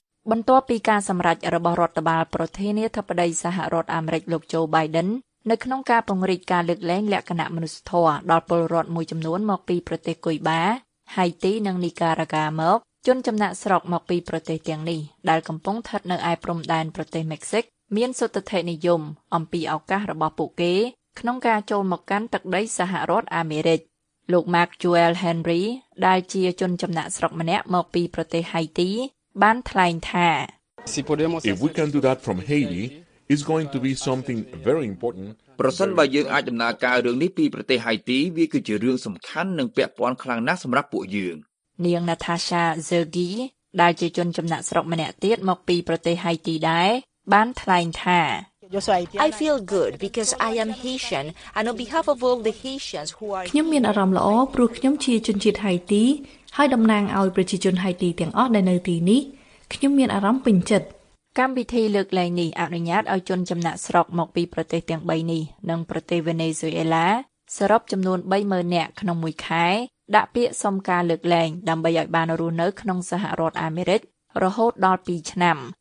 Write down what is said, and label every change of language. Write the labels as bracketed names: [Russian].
[Khmer] បន្ទាប់ពីការសម្រេចរបស់រដ្ឋបាលប្រធានាធិបតីសហរដ្ឋអាមេរិកលោកโจ Biden នៅក្នុងការពង្រីកការលើកលែងលក្ខណៈមនុស្សធម៌ដល់ពលរដ្ឋមួយចំនួនមកពីប្រទេសគុយបាហៃទីនិងនីការ៉ាហ្គាមកជនចំណាក់ស្រុកមកពីប្រទេសទាំងនេះដែលកំពុងស្ថិតនៅឯព្រំដែនប្រទេសមិចស៊ិកមានសុទ្ធតិនិយមអំពីឱកាសរបស់ពួកគេក្នុងការចូលមកកាន់ទឹកដីសហរដ្ឋអាមេរិក លោក Mark Joel Henry ដែលជាជនចំណាក់ស្រុកម្នាក់មកពីប្រទេស Haiti បានថ្លែងថា [English] If we can do that from Haiti it's going to be something very important [Khmer] ប្រសិនបើយើងអាចដំណើរការរឿងនេះពីប្រទេស Haiti វាគឺជារឿងសំខាន់និងពាក់ព័ន្ធខ្លាំងណាស់សម្រាប់ពួកយើង នាង Natasha Zergi ដែលជាជនចំណាក់ស្រុកម្នាក់ទៀតមកពីប្រទេស Haiti ដែរបានថ្លែងថា [English] I feel good because I am Haitian and on behalf of all the Haitians who are [Khmer] ខ្ញុំមានអារម្មណ៍ល្អព្រោះខ្ញុំជាជនជាតិ Haiti ហើយតំណាងឲ្យប្រជាជន Haiti ទាំងអស់ដែលនៅទីនេះខ្ញុំមានអារម្មណ៍ពេញចិត្ត កម្មវិធីលើកឡើងនេះអនុញ្ញាតឲ្យជនចំណាក់ស្រុកមកពីប្រទេសទាំង3នេះនិងប្រទេស Venezuela សរុបចំនួន 30,000 នាក់ក្នុង1ខែដាក់ពាក្យសុំការលើកឡើងដើម្បីឲ្យបានរស់នៅក្នុងសហរដ្ឋអាមេរិករហូតដល់2ឆ្នាំ